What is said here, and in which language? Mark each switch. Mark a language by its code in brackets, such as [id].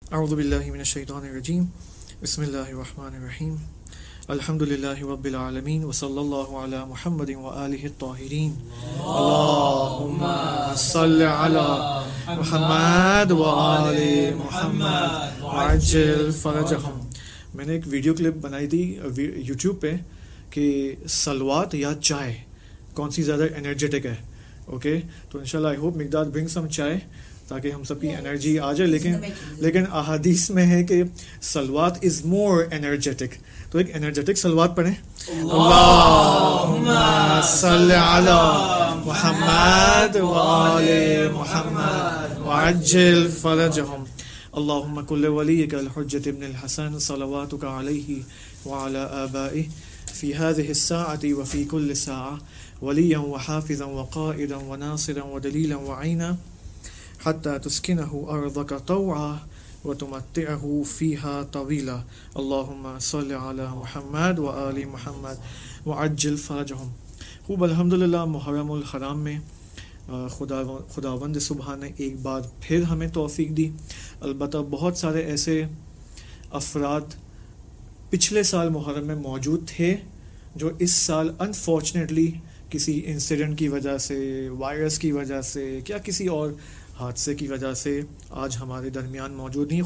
[ar] أعوذ بالله من الشيطان الرجيم. بسم الله الرحمن الرحيم. الحمد لله رب العالمين، وصلى الله على محمد وآله الطاهرين. اللهم صل على محمد وآل محمد وعجل فرجهم. [ur] میں نے ایک ویڈیو کلپ بنائی تھی یوٹیوب پہ کہ سلوات یا چائے کون سی زیادہ انرجیٹک ہے. اوکے، تو انشاءاللہ [en] I hope Miqdad bring some [ur] چائے تاکہ ہم سب کی انرجی آ جائے. لیکن احادیث میں ہے کہ سلوات [en] is more energetic, [ur] تو ایک انرجیٹک سلوات پڑھیں. [ar] اللہم صلی علی محمد و آل محمد وعجل فرجہم. اللہم کل ولیک الحجۃ ابن الحسن صلواتک علیہ وعلى آبائہ فی هذه الساعۃ وفی کل ساعۃ ولیا وحافظا وقائدا وناصرا ودلیلا وعینا حتى تسكنه ارضك طوعا وتمتعه فيها طويلا. اللهم صل على محمد وآل محمد وعجل فرجهم. [ur] خوب الحمدللہ محرم الحرام میں خداوند سبحانہ ایک بار پھر ہمیں توفیق دی. البتہ بہت سارے ایسے افراد پچھلے سال محرم میں موجود تھے جو اس سال انفارچونیٹلی کسی انسیڈنٹ کی وجہ سے، وائرس کی وجہ سے، کیا کسی اور حادثے کی وجہ سے آج ہمارے درمیان موجود نہیں.